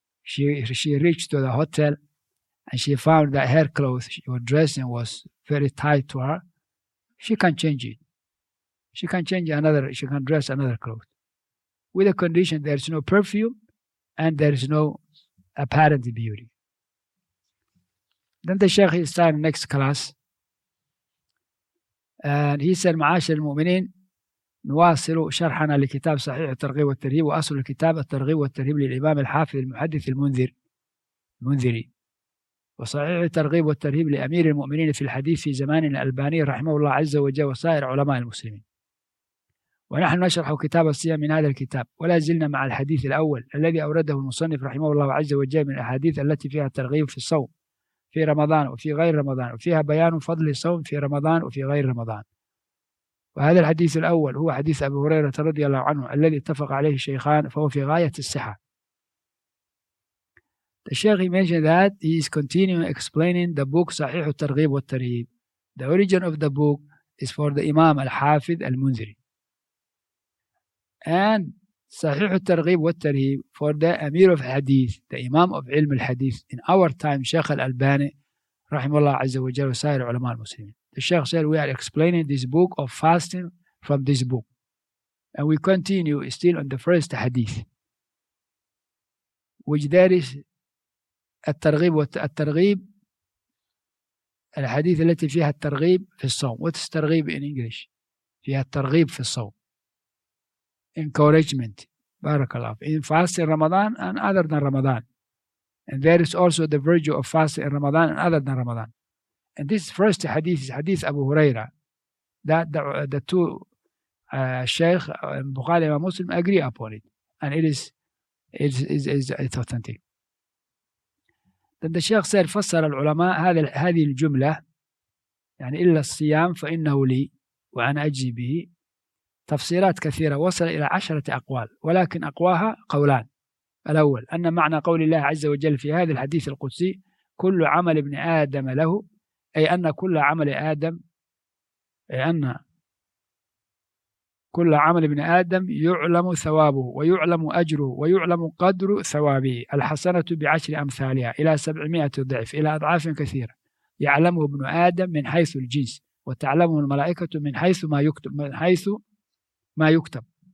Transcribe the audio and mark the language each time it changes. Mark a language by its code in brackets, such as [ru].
[en] She reached to the hotel, and she found that her clothes, her dressing was very tight to her. She can change it. She can change another, she can dress another cloth. With the condition there is no perfume, and there is no apparent beauty. Then the sheikh is starting next class. [ar] And he said, Ma'ashir al-Mu'mineen, نواصل شرحنا لكتاب صحيح الترغيب والترهيب وأصل الكتاب الترغيب والترهيب للإمام الحافظ المحدث المنذر المنذري وصحيح الترغيب والترهيب لأمير المؤمنين في الحديث في زمان الألباني رحمه الله عز وجل وسائر علماء المسلمين ونحن نشرح كتاب الصيام من هذا الكتاب ولا زلنا مع الحديث الأول الذي أورده المصنف رحمه الله عز وجل من الأحاديث التي فيها الترغيب في الصوم في رمضان وفي غير رمضان وفيها بيان فضل الصوم في رمضان وفي غير رمضان وهذا الحديث الأول هو حديث أبو هريرة رضي الله عنه الذي اتفق عليه الشيخان فهو في غاية الصحة. [en] The Sheikh mentioned that he is continuing explaining the book صحيح الترغيب والترهيب. The origin of the book is for the Imam Al-Hafidh Al-Munziri. And صحيح الترغيب والترهيب for the Amir of Hadith, the Imam of علم الحديث in our time, Sheikh Al-Albani رحمه الله عز وجل وسائر علماء المسلمين. The Sheikh said, we are explaining this book of fasting from this book. And we continue still on the first hadith, which there is التَّرْغِيب والتَّرْغِيب الحديث التي فيها الترغيب في الصوم. What is ترغيب in English? [ar] فيها الترغيب في الصوم. Encouragement. بارك الله. [en] In fasting Ramadan and other than Ramadan. And there is also the virtue of fasting in Ramadan and other than Ramadan. And this first hadith is hadith Abu Huraira. That the two Shaykh and Bukhari and Muslim agree upon it. And it's authentic. [ar] Then the Shaykh said, فسر العلماء هذه الجملة يعني إلا الصيام فإنه لي وأنا أجزي به تفسيرات كثيرة وصل إلى 10 أقوال ولكن أقواها قولان. الأول أن معنى قول الله عز وجل في هذا الحديث القدسي كل عمل ابن آدم له أي أن كل عمل آدم أي أن كل عمل ابن آدم يعلم ثوابه ويعلم أجره ويعلم قدر ثوابه الحسنة بعشر أمثالها إلى 700 ضعف إلى أضعاف كثيرة يعلمه ابن آدم من حيث الجنس وتعلمه الملائكة من حيث ما يكتب من حيث ما يكتب